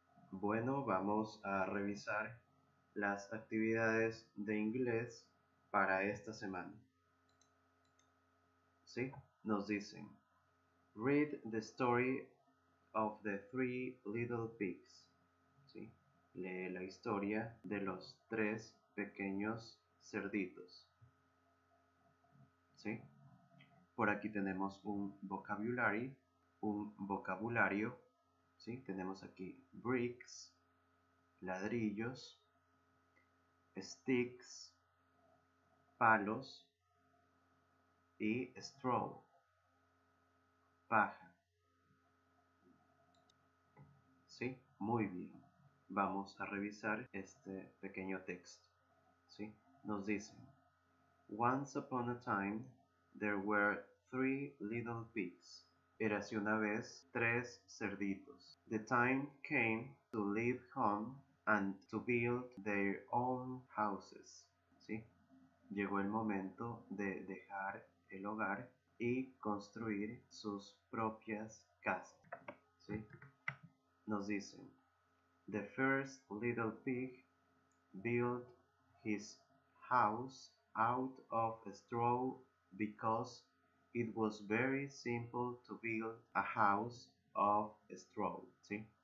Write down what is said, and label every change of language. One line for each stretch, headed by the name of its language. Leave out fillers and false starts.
Spanish: Bueno, vamos a revisar las actividades de inglés para esta semana. ¿Sí? Nos dicen,
English: read the story of the three little pigs.
Spanish: ¿Sí? Lee la historia de los tres pequeños cerditos. ¿Sí? Por aquí tenemos un vocabulario. ¿Sí? Tenemos aquí bricks, ladrillos, sticks, palos y straw, paja. ¿Sí? Muy bien. Vamos a revisar este pequeño texto. ¿Sí? Nos dicen,
English: once upon a time, there were three little pigs.
Spanish: Érase una vez tres cerditos.
English: The time came to leave home and to build their own houses.
Spanish: ¿Sí? Llegó el momento de dejar el hogar y construir sus propias casas. ¿Sí? Nos dicen,
English: the first little pig built his house out of straw because it was very simple to build a house of straw.
Spanish: ¿Sí?